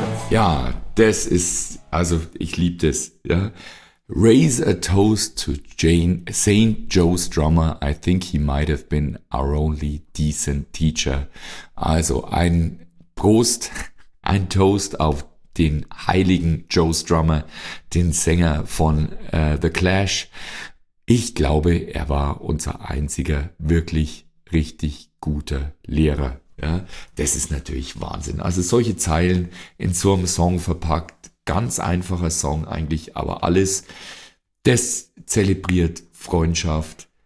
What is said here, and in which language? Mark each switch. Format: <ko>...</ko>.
<de>Ja, das ist, also ich liebe das, ja.</de> <en>Raise a toast to Jane, St. Joe's drummer, I think he might have been our only decent teacher.</en> <de>Also ein Prost, ein Toast auf den heiligen Joe's drummer, den Sänger von The Clash. Ich glaube, er war unser einziger wirklich richtig guter Lehrer. Ja, das ist natürlich Wahnsinn. Also solche Zeilen in so einem Song verpackt, ganz einfacher Song eigentlich, aber alles, das zelebriert Freundschaft.</de>